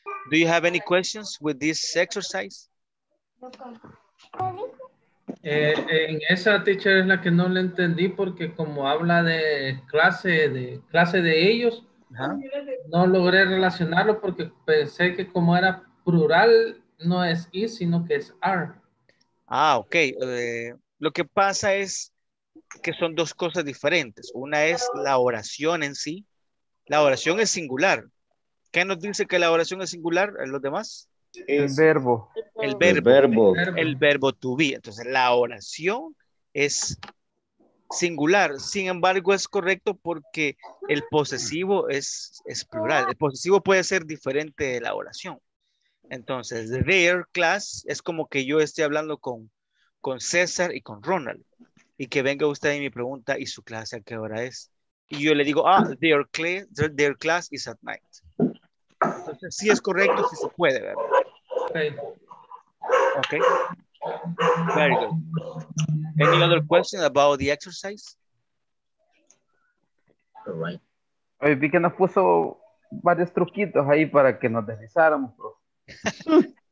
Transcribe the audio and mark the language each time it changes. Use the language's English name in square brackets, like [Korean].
[English] Do you have any questions with this exercise? [Spanish] En esa teacher es la que no le entendí porque como habla de clase de ellos, no logré relacionarlo porque pensé que como era plural, no es is, sino que es are. Ah, ok. Lo que pasa es que son dos cosas diferentes. Una es la oración en sí. La oración es singular. ¿Qué nos dice que la oración es singular en los demás? El verbo to be. Entonces, la oración es singular. Sin embargo, es correcto porque el posesivo es plural. El posesivo puede ser diferente de la oración. Entonces, their class es como que yo esté hablando con César y con Ronald. Y que venga usted y me pregunta, ¿y su clase a qué hora es? Y yo le digo, ah, [English] their class is at night. [Spanish] Entonces, sí es correcto, sí se puede, ¿verdad? Ok. [English] Very good. Any other question about the exercise? All right. [Spanish] Vi que nos puso varios truquitos ahí para que nos deslizáramos, profe.